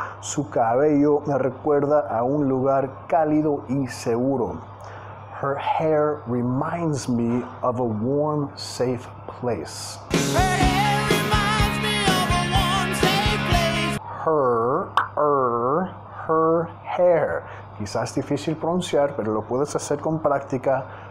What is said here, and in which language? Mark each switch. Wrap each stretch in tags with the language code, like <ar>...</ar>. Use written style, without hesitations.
<es>Su cabello me recuerda a un lugar cálido y seguro.</es> <en>Her hair reminds me of a warm, safe place. Her hair reminds me of a warm, safe place. Her hair.</en> <es>Quizás difícil pronunciar, pero lo puedes hacer con práctica.</es>